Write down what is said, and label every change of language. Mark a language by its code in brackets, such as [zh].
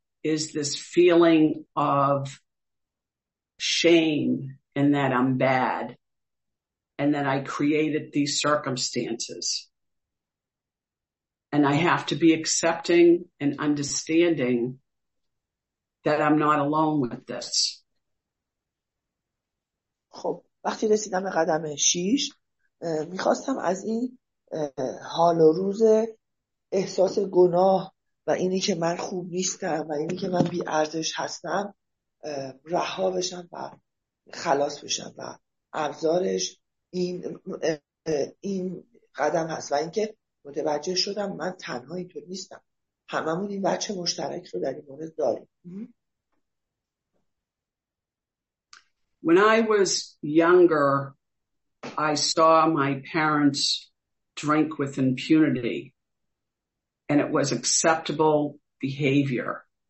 [en] is this feeling of shame and that I'm bad and that I created these circumstances. And I have to be accepting and understanding that I'm not alone with this. [fa] خب وقتی رسیدم به قدم 6 میخواستم از این حال و روز احساس گناه و اینی که من خوب نیستم و اینی که من بی ارزش هستم رها بشم و خلاص بشم و ابزارش این قدم هست و اینکه متوجه شدم من تنها اینطور نیستم، هممون این بچه مشترک رو در این مورد داریم. [en] When I was younger, I saw my parents drink with impunity, and it was acceptable behavior.